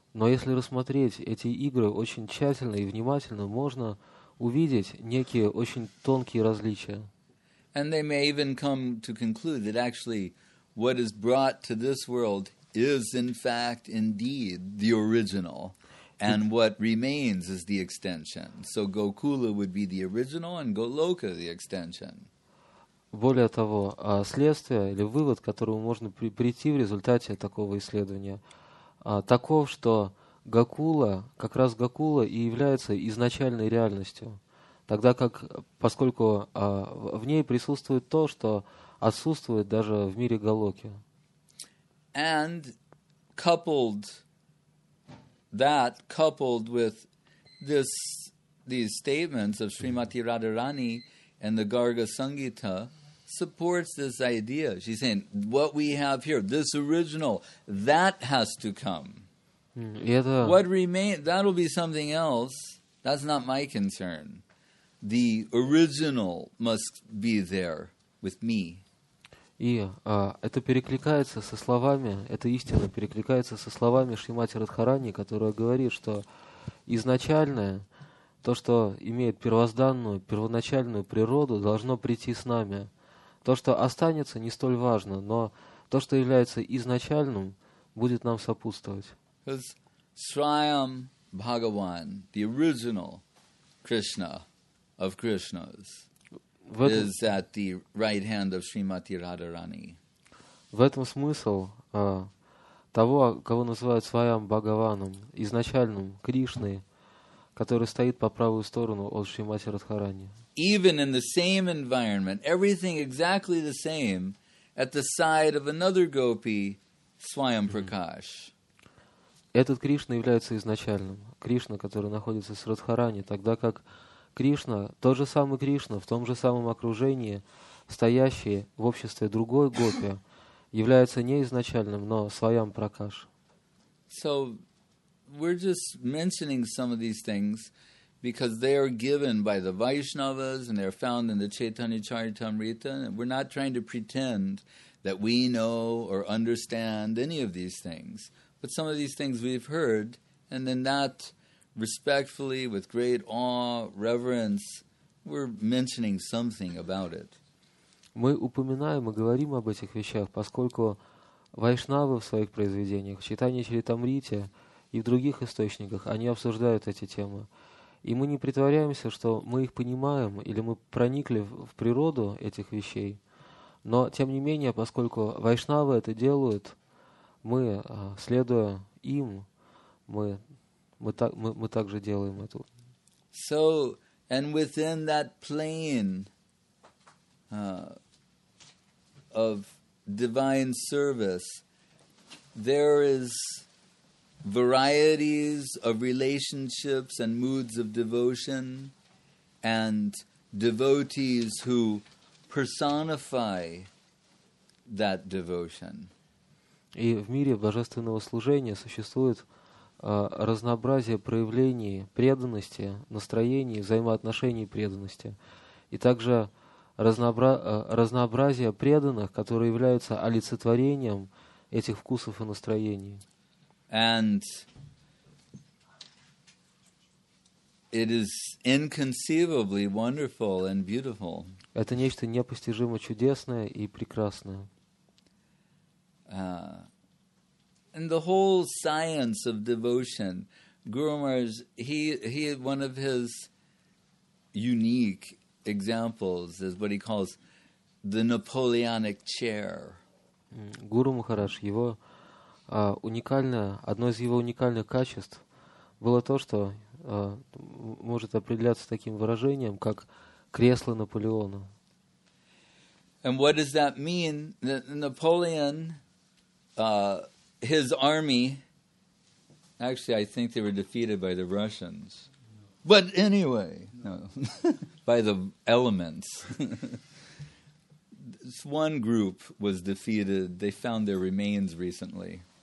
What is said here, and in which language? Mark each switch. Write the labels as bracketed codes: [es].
[ru] Но если рассмотреть эти игры очень тщательно и внимательно, можно увидеть некие очень тонкие различия. [en] And they may even come to conclude that actually what is brought to this world is in fact indeed the original. And what remains is the extension. So Gokula would be the original and Goloka the extension. [ru] Более того, следствие или вывод, к которому можно прийти в результате такого исследования, таков, что Гокула, как раз Гокула и является изначальной реальностью, тогда как, поскольку в ней присутствует то, что отсутствует даже в мире Голоки. [en] And coupled that coupled with this these statements of Srimati Radharani and the Garga Sangita supports this idea. She's saying what we have here, this original, that has to come. [ru] Это... [en] What remains, that'll be something else. That's not my concern. The original must be there with me. [ru] И это перекликается со словами, эта истина перекликается со словами Шримати Радхарани, которая говорит, что изначальное, то, что имеет первозданную, первоначальную природу, должно прийти с нами. То, что останется, не столь важно, но то, что является изначальным, будет нам сопутствовать. [en] Sriyam Bhagavan, the original Krishna of Krishnas. Is at the right hand of Srimati Radharani. [ru] В этом смысл того, кого называют Сваям Бхагаваном, изначальным Кришной, который стоит по правую сторону от Шримати Радхарани. [en] Even in the same environment, everything exactly the same, at the side of another gopi, Swayam Prakash. [ru] Этот Кришна является изначальным. Кришна, который находится с Радхарани, тогда как Кришна, тот же самый Кришна, в том же самом окружении, стоящий в обществе другой гопи, является не изначальным, но своим Пракаш. [en] So, we're just mentioning some of these things because they are given by the Vaishnavas and they're found in the Chaitanya Charitamrita. We're not trying to pretend that we know or understand any of these things. But some of these things we've heard, and then that respectfully, with great awe, reverence, we're mentioning something about it. [ru] Мы упоминаем и говорим об этих вещах, поскольку вайшнавы в своих произведениях, в Чайтанья Чаритамрите и в других источниках, они обсуждают эти темы. И мы не притворяемся, что мы их понимаем или мы проникли в природу этих вещей. Но, тем не менее, поскольку вайшнавы это делают, мы, следуя им, мы также делаем это. [en] So, and within that plane of divine service, there is varieties of relationships and moods of devotion, and devotees who personify that devotion. [ru] И в мире божественного служения существует разнообразие проявлений преданности, настроений, взаимоотношений преданности, и также разнообразие преданных, которые являются олицетворением этих вкусов и настроений. [en] And It is inconceivably wonderful and beautiful. [ru] Это нечто непостижимо чудесное и прекрасное. [en] And the whole science of devotion, Guru Maharaj, he one of his unique examples is what he calls the Napoleonic chair. [ru] Guru Maharaj, его уникальное, одно из его уникальных качеств было то, что может определяться таким выражением, как кресло Наполеона. [en] And what does that mean? That Napoleon, his army, actually, I think they were defeated by the Russians. But anyway, no. By the elements. This one group was defeated. They found their remains recently.